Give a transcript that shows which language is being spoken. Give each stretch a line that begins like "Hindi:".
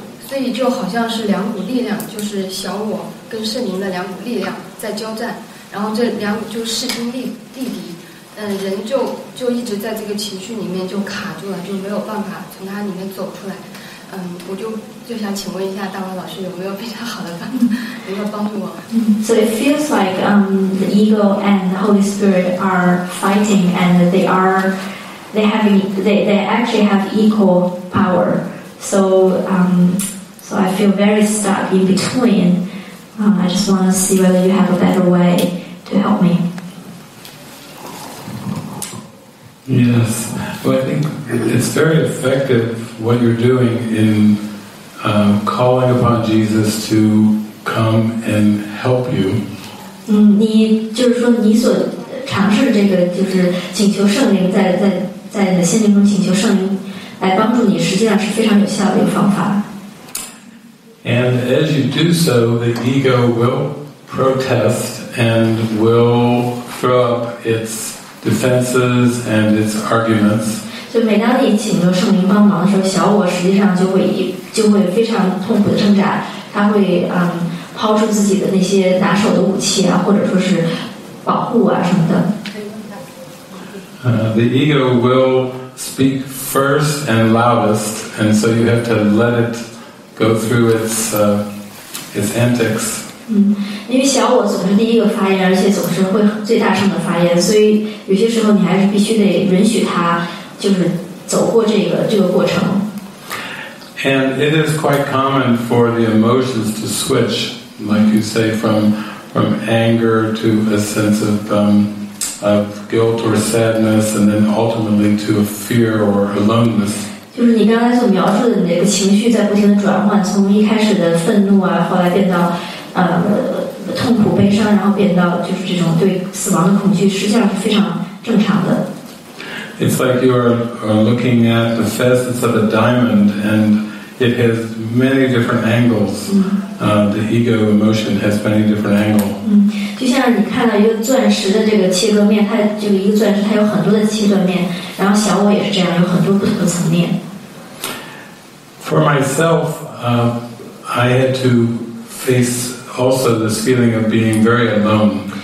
Chinese: 所以就好像是两股力量，就是小我跟圣灵的两股力量在交战，然后这两股就势均力敌。人就一直在这个情绪里面就卡住了，就没有办法从它里面走出来。我就想请问一下大卫老师，有没有比较好的办法能够帮助我
English: ？So it feels like the ego and the Holy Spirit are fighting, and they actually have equal power. So I feel very stuck in between. I just want to see whether you have a better way to help me. Yes, well, I think it's very effective what you're doing in calling upon Jesus to come and help you.
Chinese: 你就是说你所尝试这个就是请求圣灵在你的心灵中请求圣灵来帮助你，实际上是非常有效的一个方法。
English: And as you do so, the ego will protest and will throw up its. Defenses and its arguments.
Chinese: 就每当你请求圣灵帮忙的时候，小我实际上就会非常痛苦的挣扎，它会抛出自己的那些拿手的武器啊，或者说是保护啊什么的。
English: The ego will speak first and loudest, and so you have to let it go through its antics.
Chinese: 嗯，因为小我总是第一个发言，而且总是会最大声的发言，所以有些时候你还是必须得允许它，就是走过这个过程。
English: And it is quite common for the emotions to switch, like you say, from anger to a sense of guilt or sadness, and then ultimately to a fear or aloneness.
Chinese: 就是你刚才所描述的，你的情绪在不停的转换，从一开始的愤怒啊，后来变到痛苦、悲伤，然后变到就是这种对死亡的恐惧，实际上是非常正常的。
English: It's like you're looking at the facets of a diamond, and it has many different angles. The ego emotion has many different angles.
Chinese: 就像你看到一个钻石的这个切割面，它就一个钻石，它有很多的切断面。然后小我也是这样，有很多不同的层面。
English: For myself, I had to face also this feeling of being very alone.